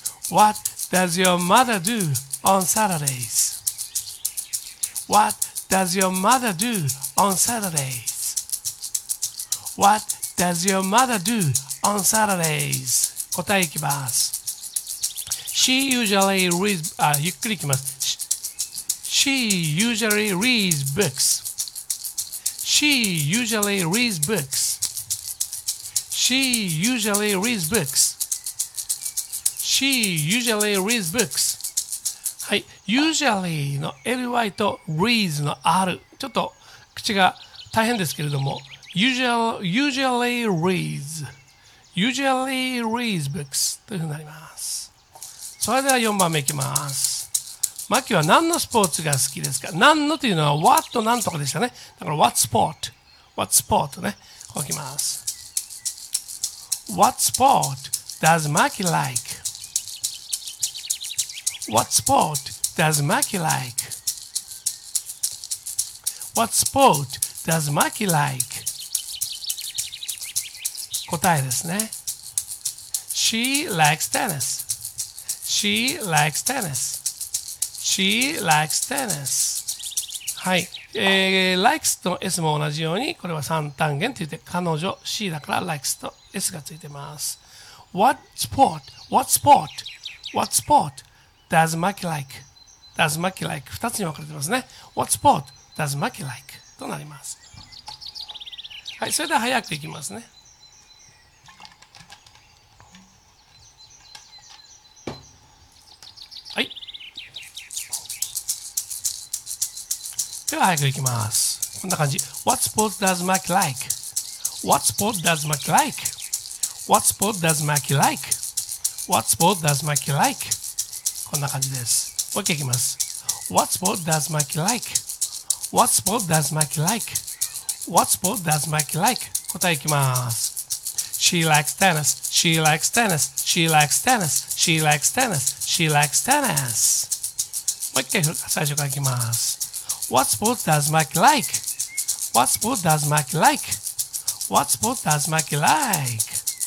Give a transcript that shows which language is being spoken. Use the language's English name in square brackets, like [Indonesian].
[English] What does your mother do on Saturdays? What does your mother do on Saturdays? What does your mother do on Saturdays? [Japanese] 答えいきます。 [English] She usually reads, [Japanese] ゆっくりいきます。 [English] She usually reads books. She usually reads books. She usually reads books. She usually reads books. [Japanese] はい、usually の ly と reads の r、 ちょっと口が大変ですけれども、 usually reads、 usually reads books というふうになります。それでは4番目いきます。マキは何のスポーツが好きですか。何のというのは what と何とかでしたね。だから what sport、 what sport ね、こういきます。 [English] what sport does Maki like、 what sport does Maki like、 what sport does Maki like、 答えですね。 She likes tennis、 She likes tennis、 She likes tennis。 [Japanese] はい、likes と S も同じように、これは三単元といって彼女 C だから likes と S がついてます。 [English] What sport? What sport? What sport does Maki like? Does Maki like? [Japanese] 二つに分かれてますね。 [English] What sport does Maki like? [Japanese] となります。はい、それでは早くいきますね。はい。では早くいきます。こんな感じ。 [English] What sport does Maki like? What sport does Maki like? What sport does Maki like? What sport does Maki like? [Japanese] こんな感じです。OK、いきます。 [English] What sport does Maki like? What sport does Maki like? What sport does Maki like? [Japanese] 答えいきます。 [English] She likes tennis. She likes tennis. She likes tennis. She likes tennis. She likes tennis. [Japanese] もう一回最初からいきます。 [English] What sport does Maki like? What sport does Maki like? What sport does Maki like?